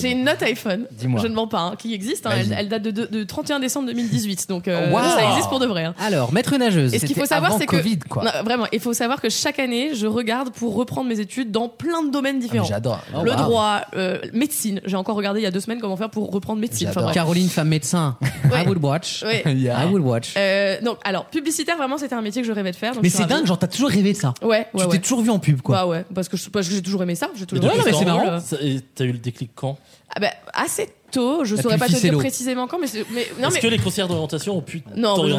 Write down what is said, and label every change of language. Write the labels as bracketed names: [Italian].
[French] J'ai une note iPhone, dis-moi. Je ne mens pas, hein, qui existe. Hein, elle date de 31 décembre 2018, donc ça existe pour de vrai. Hein. Alors, maître nageuse, et ce qu'il faut savoir, avant c'est Covid, que, quoi. Non, vraiment, il faut savoir que chaque année, je regarde pour reprendre mes études dans plein de domaines différents. Ah, j'adore. Le droit, médecine. J'ai encore regardé il y a deux semaines comment faire pour reprendre médecine. Enfin, Caroline, femme médecin, [English] I would watch. [French] Oui. [English] Yeah. I would watch. [French] Donc, alors, publicitaire, vraiment, c'était un métier que je rêvais de faire. Donc mais c'est dingue, genre, t'as toujours rêvé de ça. Ouais. Tu t'es toujours vu en pub, quoi. Bah ouais, parce que j'ai toujours aimé ça. Mais c'est marrant. T'as eu le déclic quand? Ah bah, assez tôt, je saurais pas te dire précisément quand. Est-ce que les conseillères d'orientation ont pu t'orienter?